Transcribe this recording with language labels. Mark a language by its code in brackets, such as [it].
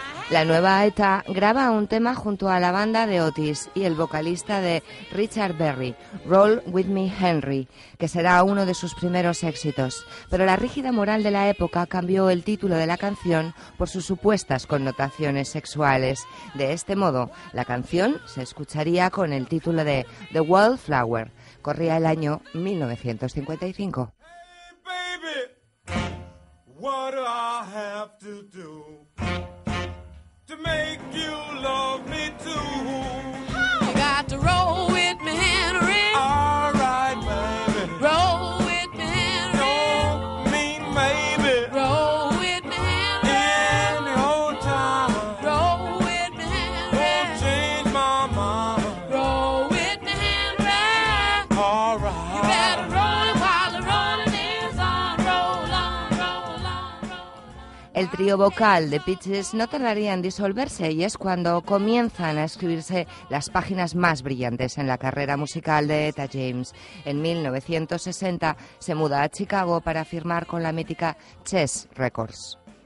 [es] La nueva Eta graba un tema junto a la banda de Otis y el vocalista de Richard Berry, Roll With Me Henry, que será uno de sus primeros éxitos. Pero la rígida moral de la época cambió el título de la canción por sus supuestas connotaciones sexuales. De este modo, la canción se escucharía con el título de The Wallflower. Corría el año 1955. [en] Hey, baby, what do I have to do? To make you love me too. You got to roll with me, Henry. All right, baby. Roll with me, Henry. Don't mean maybe. Roll with me, Henry. In old time. Roll with me, Henry. Won't change my mind. Roll with me, Henry. All right. You better roll it while the rolling is on. Roll on, roll on, roll on. [es] El trío vocal de Peaches no tardaría en disolverse y es cuando comienzan a escribirse las páginas más brillantes en la carrera musical de Eta James. En 1960 se muda a Chicago para firmar con la mítica Chess Records.